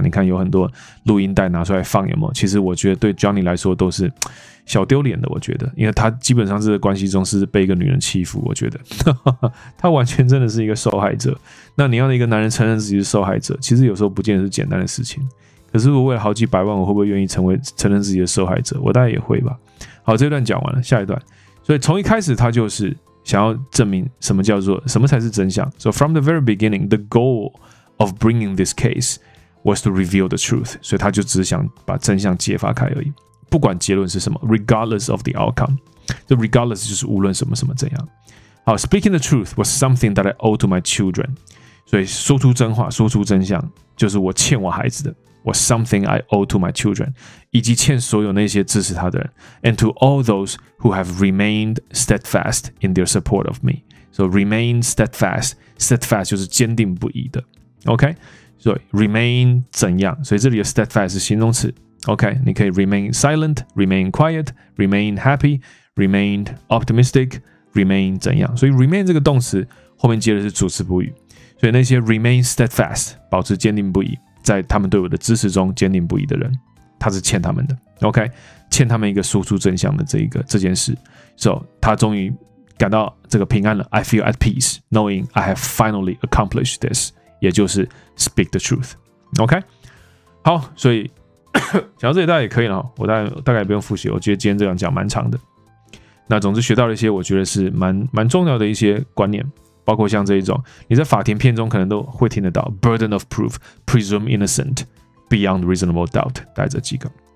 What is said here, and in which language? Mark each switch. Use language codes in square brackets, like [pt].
[zh] 你看有很多录音带拿出来放，有没有？其实我觉得对 Johnny 来说都是小丢脸的，我觉得，因为他基本上这个关系中是被一个女人欺负，我觉得他完全真的是一个受害者。那你要一个男人承认自己是受害者，其实有时候不见得是简单的事情。可是我为了好几百万，我会不会愿意成为承认自己的受害者？我大概也会吧。好，这段讲完了，下一段。所以从一开始他就是想要证明什么叫做什么才是真相。 [en] So from the very beginning, the goal of bringing this case was to reveal the truth. [zh] 所以他就只想把真相揭发开而已，不管结论是什么 ， [en] regardless of the outcome. [zh] 这 regardless 就是无论什么什么怎样。 [en] 好 ，speaking the truth was something that I owe to my children. [zh] 所以说出真话，说出真相，就是我欠我孩子的。 [en] Was something I owe to my children, [zh] 以及欠所有那些支持他的人 [en] and to all those who have remained steadfast in their support of me. So remain steadfast, steadfast [zh] 就是坚定不移的。 OK, 所以 remain 怎样？所以这里的 steadfast 是形容词。 [en] OK, [zh] 你可以 [en] remain silent, remain quiet, remain happy, remain optimistic, remain [zh] 怎样？所以 remain 这个动词后面接的是主词补语。所以那些 remain steadfast, 保持坚定不移。在他们对我的支持中坚定不移的人，他是欠他们的。 OK, 欠他们一个说出真相的这件事。So, 他终于感到这个平安了。 [en] I feel at peace, knowing I have finally accomplished this, [zh] 也就是 [en] speak the truth. [zh] OK, 好，所以讲到这里大概也可以了，我大概也不用复习，我觉得今天这样讲蛮长的。那总之学到了一些我觉得是蛮重要的一些观念。包括像这一种，你在法庭片中可能都会听得到 [en] burden of proof, presume innocent, beyond reasonable doubt, [zh] 大概这几个。